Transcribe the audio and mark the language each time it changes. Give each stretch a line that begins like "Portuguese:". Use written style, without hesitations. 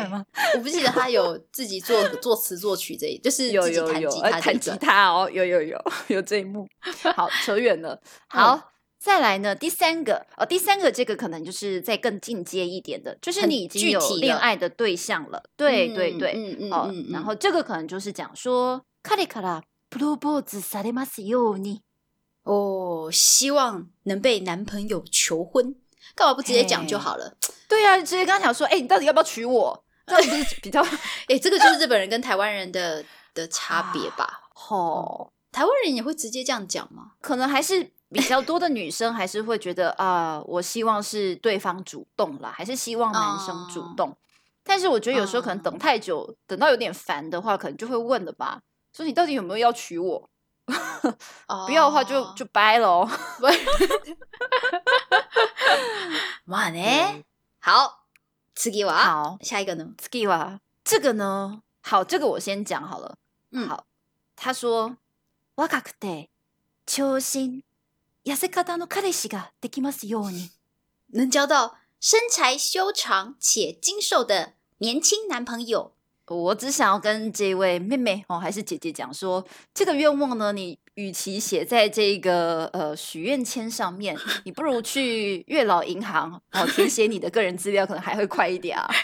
Chinese: 吗，我不记得他有自己做作词作曲这一就是自己弹吉他，有有有弹吉他哦，有有有有这一幕，好扯远了好、嗯、再来呢第三个、哦、第三个这个可能就是再更进阶一点的，就是你已经有恋爱的对象了，对对对、嗯哦嗯嗯嗯、然后这个可能就是讲说
Japanese: 彼からプロポーズされますように，
Chinese: 哦，希望能被男朋友求婚，干嘛不直接讲就好了？对啊，直接跟他讲说，哎、欸，你到底要不要娶我？这样子比较，哎、欸，这个就是日本人跟台湾人的差别吧？哦、啊，台湾人也会直接这样讲吗？可能还是比较多的女生还是会觉得啊、我希望是对方主动啦，还是希望男生主动、啊？但是我觉得有时候可能等太久，啊、等到有点烦的话，可能就会问了吧，说你到底有没有要娶我？不要的话就掰了哦。哇呢？好，
Japanese: 次は
Chinese: 好，下一个呢？
Japanese: 次は
Chinese: 这个呢？好，这个我先讲好了。嗯，好。
Japanese: 他说，若くて長身痩せ方の彼氏ができますように，
Chinese: 能交到身材修长且精瘦的年轻男朋友。我只想要跟这位妹妹、哦、还是姐姐讲说，这个愿望呢，你与其写在这个许愿签上面，你不如去月老银行、哦、填写你的个人资料，可能还会快一点啊。